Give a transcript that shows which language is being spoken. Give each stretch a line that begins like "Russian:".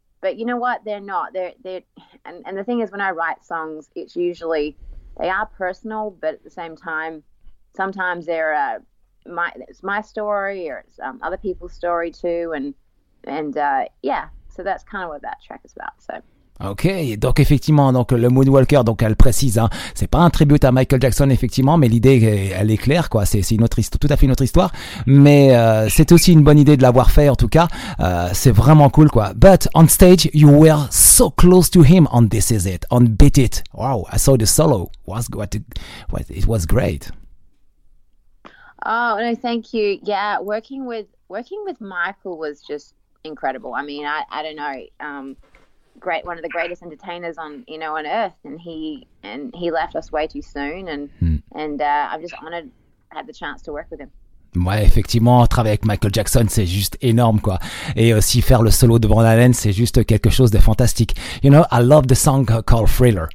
English: But you know what? They're not. They're and the thing is, when I write songs, it's usually they are personal, but at the same time, sometimes they're it's my story or it's other people's story too, and so that's kind of what that track is about. So.
French: Ok, donc effectivement, donc le Moonwalker, donc elle précise, hein, c'est pas un tribute à Michael Jackson effectivement, mais l'idée, elle est claire, quoi. C'est une autre histoire, tout à fait une autre histoire, mais c'est aussi une bonne idée de l'avoir fait en tout cas. C'est vraiment cool, quoi.
English: But on stage, you were so close to him on This Is It, on Beat It. Wow, I saw the solo. It was great. Oh no, thank you. Yeah, working with Michael was just incredible. I mean, I don't know. Great, one of the greatest entertainers on earth, and he left us way too soon, and I'm just honored to have the chance to work with him.
French: Ouais, effectivement, travailler avec Michael Jackson, c'est juste énorme, quoi. Et aussi faire le solo de Van Halen, c'est juste quelque chose de fantastique.
English: You know, I love the song called Thriller.